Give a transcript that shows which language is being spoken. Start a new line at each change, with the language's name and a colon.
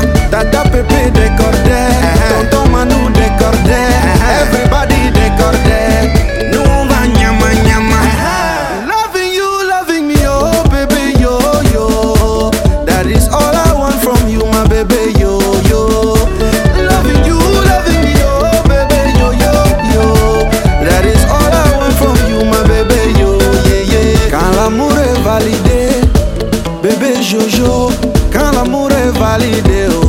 French: Tata Pepe décordé, Tonton Manu décordé, everybody décordé, nous on va nyama nyama.
English: Loving you, loving me, oh baby yo yo, that is all I want from you, my baby yo yo. Loving you, loving me, oh baby yo yo yo, that is all I want from you, my baby yo yeah yeah.
French: Quand l'amour est validé, baby Jojo, quand l'amour est validé.